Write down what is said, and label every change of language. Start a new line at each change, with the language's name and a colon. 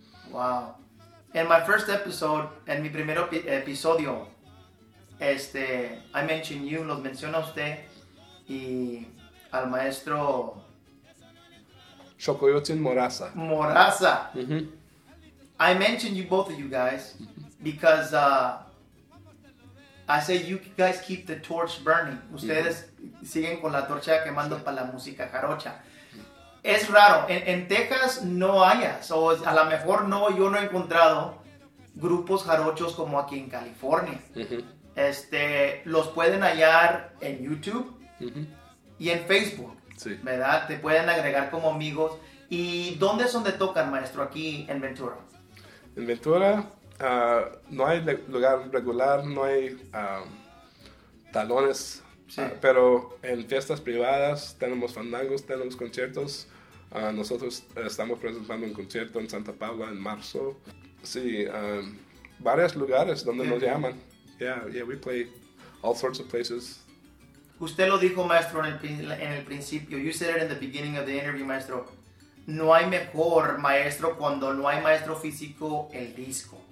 English: Wow. In my first episode,
Spanish: en mi primer episodio,
English: I mentioned you,
Spanish: los menciono a usted, y al maestro... Chocoyotin Moraza. Moraza. Mm-hmm.
English: I mentioned you, both of you guys, because I say you guys keep the torch burning.
Spanish: Ustedes siguen con la torcha quemando para la música jarocha. Es raro, en Texas no hayas, o a lo mejor no, yo no he encontrado grupos jarochos como aquí en California. Uh-huh. Los pueden hallar en YouTube uh-huh. y en Facebook, sí. ¿Verdad? Te pueden agregar como amigos. ¿Y dónde es donde tocan, maestro, aquí en Ventura? En Ventura no hay lugar regular, no hay talones. Sí. Pero en fiestas privadas tenemos fandangos, tenemos conciertos. Nosotros estamos presentando un concierto en Santa Paula en marzo. Sí, varios lugares donde nos llaman.
English: Yeah, we play all sorts of places.
Spanish: Usted lo dijo, maestro, en el principio.
English: You said it in the beginning of the interview, maestro.
Spanish: No hay mejor maestro cuando no hay maestro físico, el disco.